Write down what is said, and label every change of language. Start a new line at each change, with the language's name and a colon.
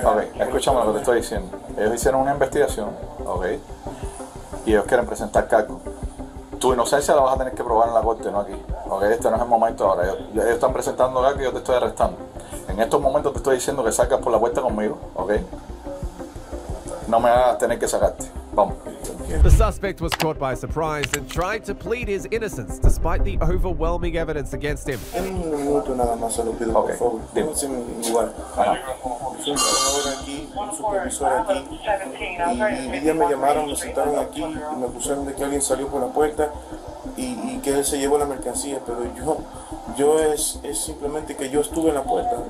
Spanish: Ok, escúchame lo que te estoy diciendo. Ellos hicieron una investigación, ¿ok? Y ellos quieren presentar cargo. Tu inocencia la vas a tener que probar en la corte, no aquí. ¿Ok? Este no es el momento ahora. Ellos están presentando cargo y yo te estoy arrestando. En estos momentos te estoy diciendo que salgas por la vuelta conmigo, ¿ok? No me hagas tener que sacarte. Vamos.
English: The suspect was caught by surprise and tried to plead his innocence despite the overwhelming evidence against him.
Spanish: En un minuto nada más se lo pido, okay. Por favor. Dime. Mi lugar. Fui un trabajador aquí, un supervisor aquí. Y ya me llamaron, me sentaron aquí y me pusieron de que alguien salió por la puerta y que él se llevó la mercancía. Pero yo es simplemente que yo estuve en la puerta.